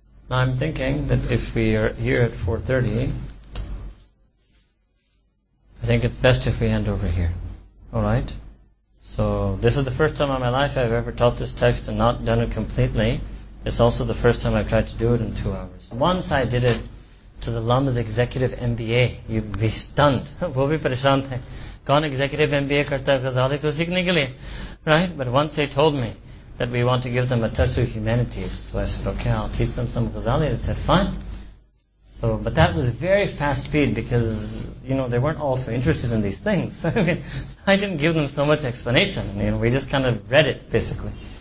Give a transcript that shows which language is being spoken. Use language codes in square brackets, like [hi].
[en] Now I'm thinking that if we are here at 4:30, I think it's best if we end over here. Alright? So this is the first time in my life I've ever taught this text and not done it completely. It's also the first time I've tried to do it in 2 hours. Once I did it to the Lama's executive MBA, you'd be stunned. [ur] وہ بھی پریشان تھے۔ کون executive MBA کرتا ہے غزالی کو سیکھنے کے لیے؟ [en] Right? But once they told me that we want to give them a touch of humanities, so I said, okay, I'll teach them some Ghazali. They said, fine. So, but that was very fast speed because, you know, they weren't all so interested in these things. So I mean, so I didn't give them so much explanation. You know, we just kind of read it, basically.